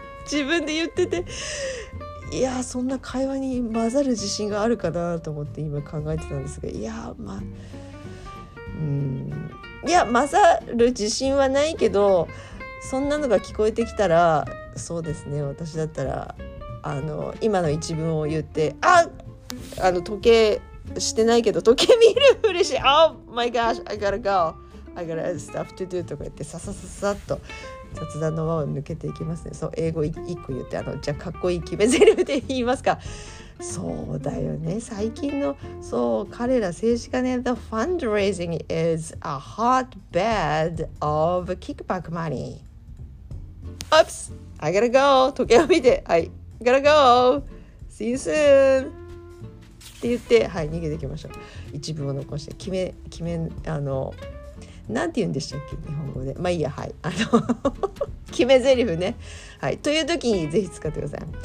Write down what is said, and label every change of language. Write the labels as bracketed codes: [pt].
[ja] 自分で言ってていやそんな会話に混ざる自信があるかなと思って今考えてたんですが、いやまあいや混ざる自信はないけどそんなのが聞こえてきたらそうですね、私だったらあの今の一文を言って あの時計してないけど時計見るふりし [en] Oh my gosh, I gotta go I got stuff to do [ja] とか言ってささささっと雑談の輪を抜けていきますね。そう英語一個言ってあのじゃあかっこいい決めゼリフで言いますか。そうだよね、最近のそう彼ら政治家ね [en] The fundraising is a hot bed of kickback money Oops! I gotta go! [ja] 時計を見て、はい、 [en] I gotta go! See you soon! [ja] って言って、はい、逃げていきましょう。一文を残して、決め、あの、なんて言うんでしたっけ、日本語で。まあいいや、はい。あの決め台詞ね。はい。という時に、ぜひ使ってください。